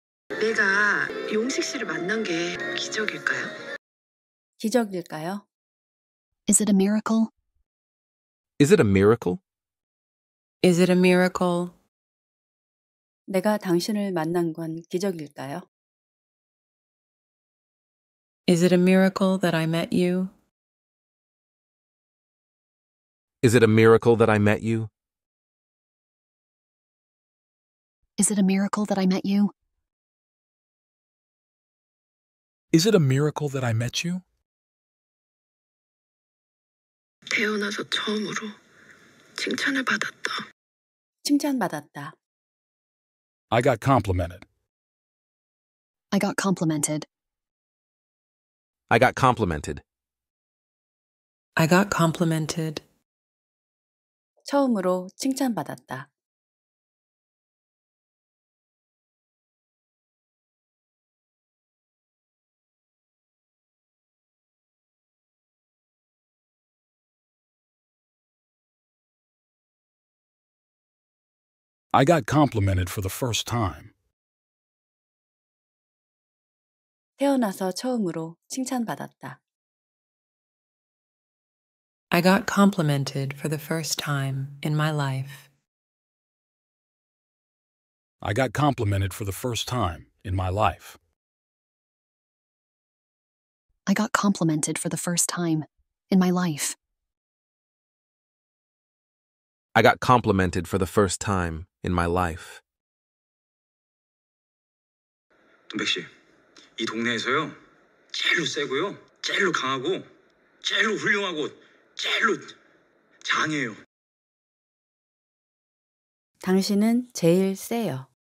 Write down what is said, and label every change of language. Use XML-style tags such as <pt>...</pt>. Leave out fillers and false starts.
<ko>내가 용식 씨를 만난 게 기적일까요? 기적일까요?</ko> <en>Is it a miracle? Is it a miracle? Is it a miracle?</en> <ko>내가 당신을 만난 건 기적일까요?</ko> <en>Is it a miracle that I met you? Is it a miracle that I met you? Is it a miracle that I met you? Is it a miracle that I met you?</en> <ko>태어나서 처음으로 칭찬을 받았다. 칭찬받았다.</ko> <en>I got complimented. I got complimented. I got complimented. I got complimented.</en> <ko>처음으로 칭찬받았다.</ko> <en>I got complimented for the first time.</en> <ko>태어나서 처음으로 칭찬받았다.</ko> <en>I got complimented for the first time in my life. I got complimented for the first time in my life. I got complimented for the first time in my life. I got complimented for the first time in my life.</en> <ko>동백 씨, 이 동네에서요, 제일로 세고요, 제일로 강하고, 제일로 훌륭하고, 제일로 장해요. 당신은 제일 세요.</ko>